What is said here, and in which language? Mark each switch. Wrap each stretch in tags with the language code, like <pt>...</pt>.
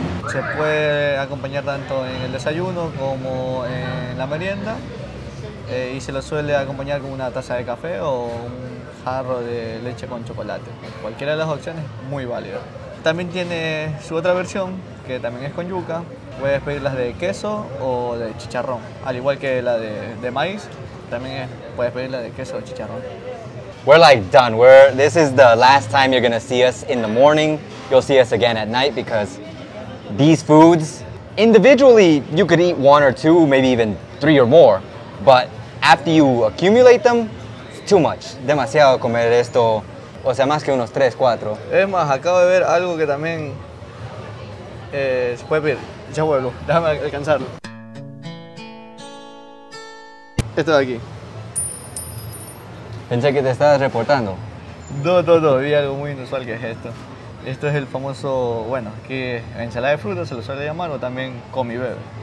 <es>Se puede acompañar tanto en el desayuno como en la merienda, y se lo suele acompañar con una taza de café o un jarro de leche con chocolate. Cualquiera de las opciones, muy válido. También tiene su otra versión, que también es con yuca. Puedes pedir las de queso o de chicharrón, al igual que la de maíz, también puedes pedir la de queso o chicharrón.</es> <en>We're like done. This is the last time you're gonna see us in the morning. You'll see us again at night, because these foods, individually, you could eat one or two, maybe even three or more. But after you accumulate them, it's too much.</en> <es>Demasiado comer esto. O sea, más que unos tres, cuatro. Es más, acabo de ver algo que también se puede pedir. Ya vuelvo. Déjame alcanzarlo. Esto de aquí. Pensé que te estabas reportando. No, vi algo muy inusual, que es esto. Esto es el famoso, bueno, que ensalada de frutas se lo suele llamar, o también comibebe.</es>